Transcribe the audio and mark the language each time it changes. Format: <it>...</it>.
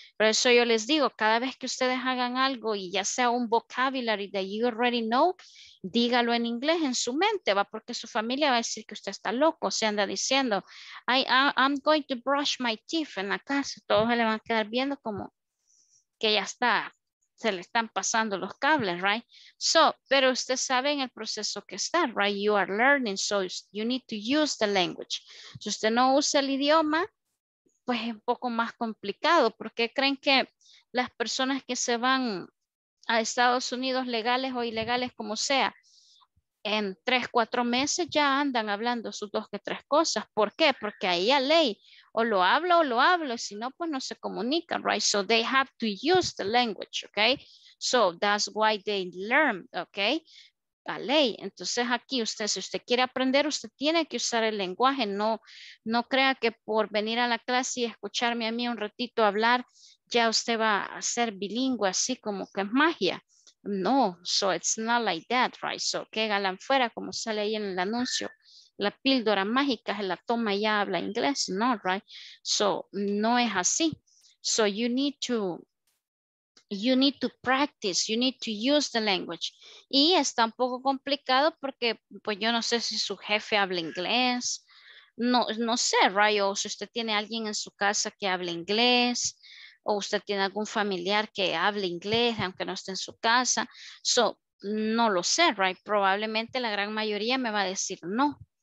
<es>Por eso yo les digo, cada vez que ustedes hagan algo y ya sea un</es> <en>vocabulary that you already know,</en> <es>dígalo en inglés en su mente, va, porque su familia va a decir que usted está loco, se anda diciendo,</es> <en>I'm going to brush my teeth</en> <es>en la casa, todos se le van a quedar viendo como que ya está, se le están pasando los cables,</es> <en>right?</en> <es>So, pero usted sabe en el proceso que está,</es> <en>right? You are learning, so you need to use the language.</en> <es>Si usted no usa el idioma, pues es un poco más complicado, porque creen que las personas que se van a Estados Unidos legales o ilegales, como sea, en 3-4 meses ya andan hablando sus 2 que 3 cosas. ¿Por qué? Porque ahí hay ley, o lo hablo o lo hablo, si no, pues no se comunican,</es> <en>right? So they have to use the language, okay? So that's why they learn, okay?</en> <es>La ley. Entonces aquí usted, si usted quiere aprender, usted tiene que usar el lenguaje. No, no crea que por venir a la clase y escucharme a mí un ratito hablar, ya usted va a ser bilingüe, así como que es magia. No,</es> <en>so it's not like that, right?</en> <es>So que galán fuera, como sale ahí en el anuncio, la píldora mágica, se la toma y ya habla inglés. No,</es> <en>right?</en> <es>So no es así.</es> <en>So you need to practice, you need to use the language.</en> <es>Y está un poco complicado porque, pues yo no sé si su jefe habla inglés, no, no sé,</es> <en>right?</en> <es>O si usted tiene alguien en su casa que hable inglés, o usted tiene algún familiar que hable inglés, aunque no esté en su casa. So, no lo sé,</es> <en>right?</en> <es>Probablemente la gran mayoría me va a decir no.</es>